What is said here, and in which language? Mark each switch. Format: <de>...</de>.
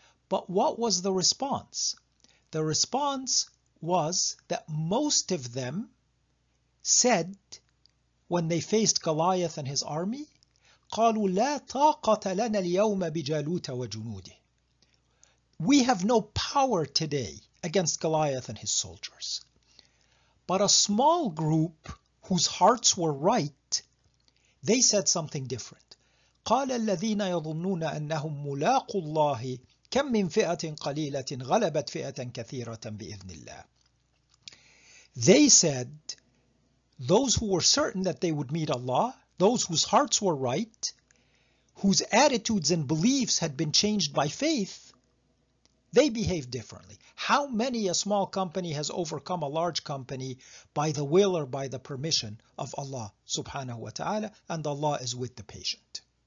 <en>But what was the response? The response was that most of them said, when they faced Goliath and his army,</en> <ar>قَالُوا لَا طَاقَةَ لَنَا الْيَوْمَ بِجَالُوتَ وَجُنُودِهِ</ar> <en>We have no power today against Goliath and his soldiers. But a small group whose hearts were right, they said something different.</en> <ar>قال الذين يظنون أنهم ملاقوا الله كم من فئة قليلة غلبت فئة كثيرة بإذن الله.</ar> <en>They said, those who were certain that they would meet Allah, those whose hearts were right, whose attitudes and beliefs had been changed by faith, they behaved differently. How many a small company has overcome a large company by the will or by the permission of Allah subhanahu wa ta'ala, and Allah is with the patient.</en>